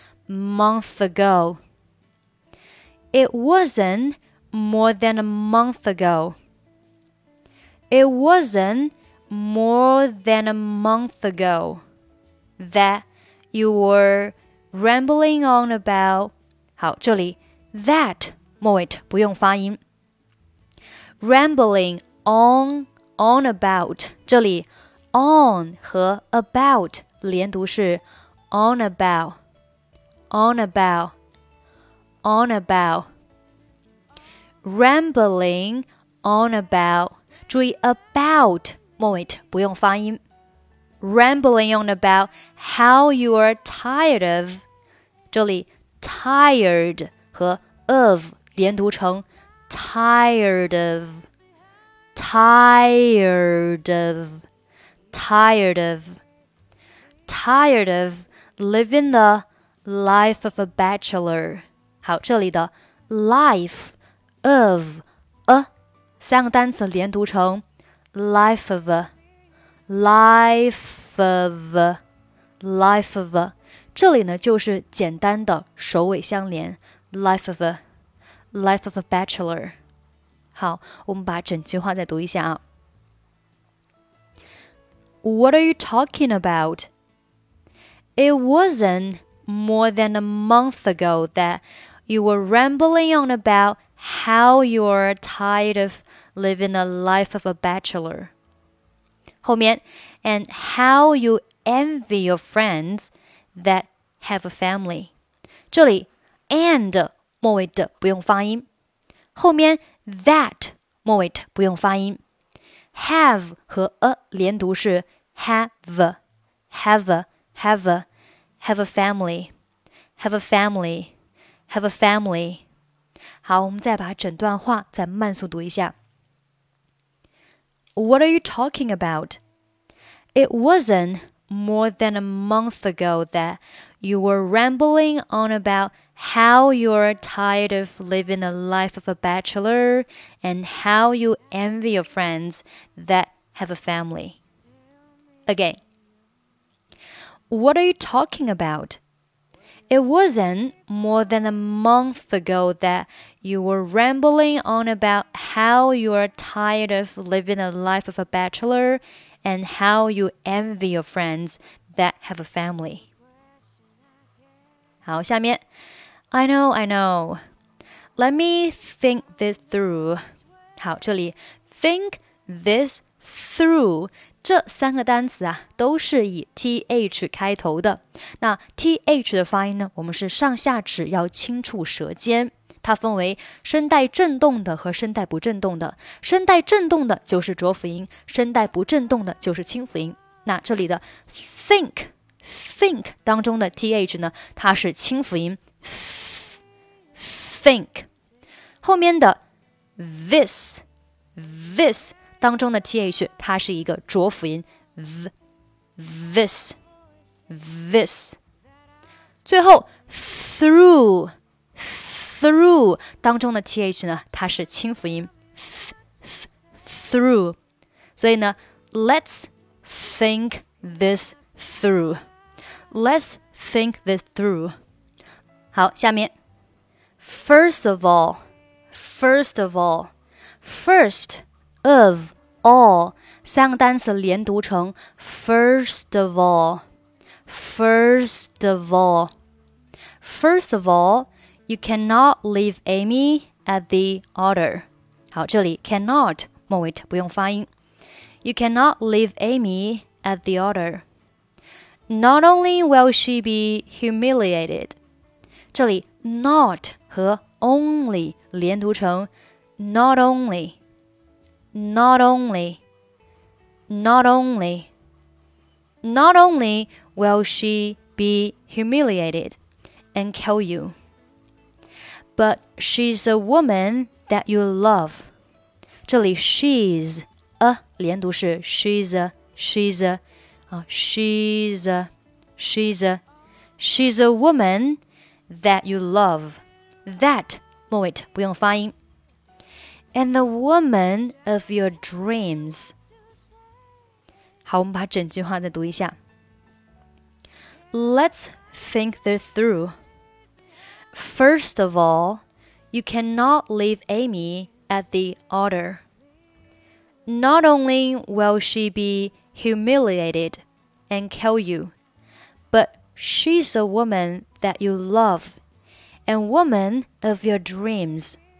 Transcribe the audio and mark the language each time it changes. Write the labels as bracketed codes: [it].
[en] month ago. It wasn't more than a month ago. It wasn't more than a month ago that you were rambling on about. [zh] 好，这里 that 末尾 t 不用发音。 [en] Rambling on about. [zh] 这里 on 和 about 连读是 [en] on about. On about, on about, rambling on about. [zh] 注意 about 末尾 t 不用发音。 [en] Rambling on about how you are tired of. [zh] 这里 tired 和 of 连读成 [en] tired of, tired of, tired of, tired of living the. Life of a bachelor. [zh] 好，这里的 [en] life of a [zh] 三个单词连读成 [en] life of a, life of a, life of a. [zh] 这里呢就是简单的首尾相连 [en] life of a, life of a bachelor. [zh] 好，我们把整句话再读一下啊。 [en] What are you talking about? It wasn't. More than a month ago that you were rambling on about how you're tired of living the life of a bachelor. [zh] 后面 [en] and how you envy your friends that have a family. [zh] 这里 and 末尾的不用发音。后面 that 末尾的不用发音。 [en] Have [zh] 和 a 连读是 have, [en] have, have. Have a family, have a family, have a family. [zh] 好，我们再把整段话再慢速读一下。 [en] What are you talking about? It wasn't more than a month ago that you were rambling on about how you're tired of living the life of a bachelor and how you envy your friends that have a family. Again. What are you talking about? It wasn't more than a month ago that you were rambling on about how you're tired of living the life of a bachelor and how you envy your friends that have a family. [zh] 好，下面 [en] I know, I know. Let me think this through. [zh] 好，这里 [en] think this through. [zh] 这三个单词啊都是以 th 开头的。那 th 的发音呢我们是上下齿要轻触舌尖。它分为声带振动的和声带不振动的。声带振动的就是浊辅音，声带不振动的就是清辅音。那这里的 think 当中的 th 呢它是清辅音 think。后面的 this,当中的 th 它是一个浊辅音 [en] this [zh] 最后 through 当中的 th 呢它是清辅音 through 所以呢 [en] let's think this through. Let's think this through. [zh] 好，下面。 [en] First of all, first of all, [zh] 三个单词连读成 [en] first of all. First of all, you cannot leave Amy at the altar. [zh] 好，这里 cannot, 末尾不用发音。 [en] You cannot leave Amy at the altar. Not only will she be humiliated. [zh] 这里 not 和 only 连读成 [en] not only will she be humiliated and kill you, but she's a woman that you love. [zh] 这里 [en] she's a [zh] 连读是 she's a [en] woman that you love. That, [zh] 末尾不用发音。 [en] And the woman of your dreams. [zh] 好，我们把整句话再读一下。 [en] Let's think this through. First of all, you cannot leave Amy at the altar. Not only will she be humiliated and kill you, but she's a woman that you love and woman of your dreams.